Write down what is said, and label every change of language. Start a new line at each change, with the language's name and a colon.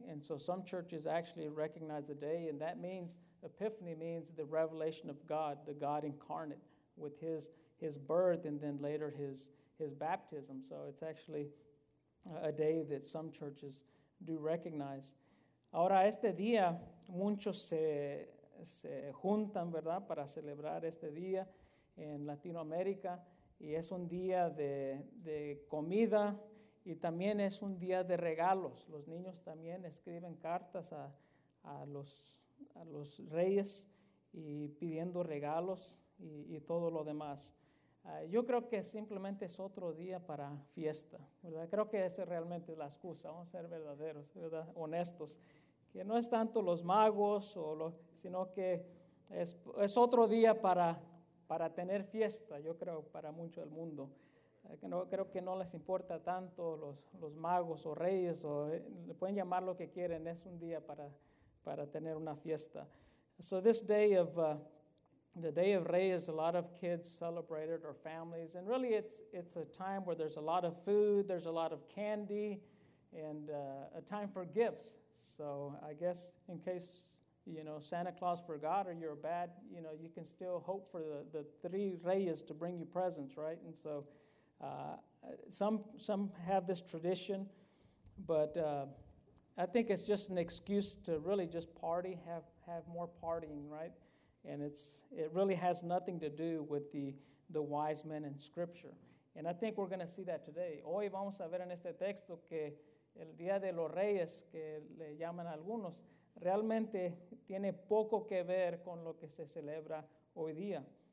English: And so some churches actually recognize the day, and that means, Epiphany means the revelation of God, the God incarnate, with his birth and then later his baptism. So it's actually a day that some churches do recognize.
Spanish: Ahora, este día, muchos se juntan, ¿verdad?, para celebrar este día en Latinoamérica. Y es un día de comida y también es un día de regalos. Los niños también escriben cartas a los reyes y pidiendo regalos y todo lo demás. Yo creo que simplemente es otro día para fiesta, ¿verdad? Creo que esa es realmente la excusa, vamos a ser verdaderos, ¿verdad? Honestos. Que no es tanto los magos, sino que es otro día para tener fiesta, yo creo, para mucho del mundo. Creo que no les importa tanto los magos o reyes, o le pueden llamar lo que quieren, es un día para tener una fiesta.
English: So this day of, the Day of Reyes, a lot of kids celebrate it, or families, and really it's a time where there's a lot of food, there's a lot of candy, and a time for gifts. So I guess in case, you know, Santa Claus forgot or you're bad, you know, you can still hope for the three reyes to bring you presents, right? And so some have this tradition, but I think it's just an excuse to really just party, have more partying, right? And it really has nothing to do with the wise men in Scripture. And I think we're going to see that today.
Spanish: Hoy vamos a ver en este texto que el Día de los Reyes, que le llaman algunos, realmente tiene poco que ver con lo que se celebra hoy día.